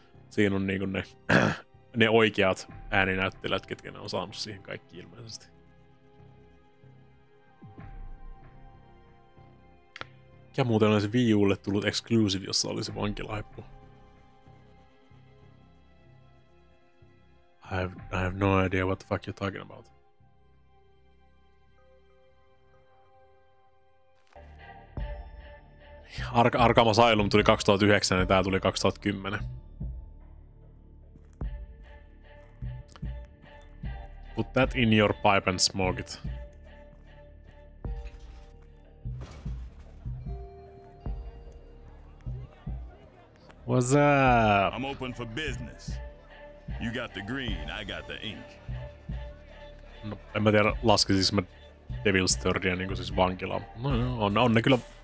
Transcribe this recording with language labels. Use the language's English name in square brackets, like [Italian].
[Finnish] Siinä on niinku ne oikeat ääninäyttelijät, ketkä ne on saanut siihen kaikki ilmeisesti. Ja muuten olisi Wii Ulle tullut exclusive, jossa olisi vankilaippu. [English] I have no idea what the fuck you're talking about. [Finnish] Arkham Asylum tuli 2009 ja tää tuli 2010. [English] Put that in your pipe and smoke it. What's up? I'm open for business. You got the green, I got the ink. [Finnish] No, en mä tiedä, laskisiks mä Devil's Thirdia niinku siis vankilaan. No joo, on ne kyllä...